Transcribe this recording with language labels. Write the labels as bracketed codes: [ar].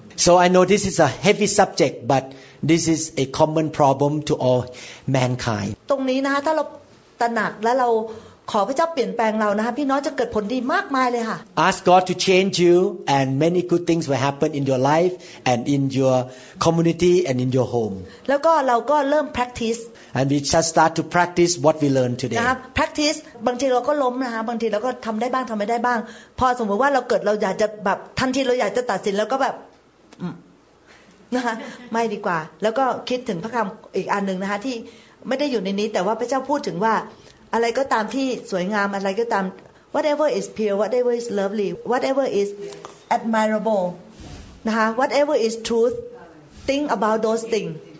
[en] So I know this is a heavy subject but this is a common problem to all mankind [th] ตรงนี้นะคะถ้าเราตระหนักแล้วเราขอพระเจ้าเปลี่ยนแปลงเรานะคะพี่น้องจะเกิดผลดีมากมายเลยค่ะ [en] Ask God to change you and many good things will happen in your life and in your community and in your home [th] แล้วก็เราก็เริ่ม practice [en] and we just start to practice what we learn today [th] นะครับ practice บางทีเราก็ล้มนะคะบางทีเราก็ทำได้บ้างทำไม่ได้บ้างพอสมมติว่าเราเกิดเราอยากจะแบบทันทีเราอยากจะตัดสินแล้วก็แบบนะคะไม่ดีกว่าแล้วก็คิดถึงพระคำอีกอันนึงนะคะที่ไม่ได้อยู่ในนี้แต่ว่าพระเจ้าพูดถึงว่าอะไรก็ตามที่สวยงามอะไรก็ตาม [en] whatever is pure whatever is lovely whatever is admirable [th] นะคะ [en] whatever is truth think about those things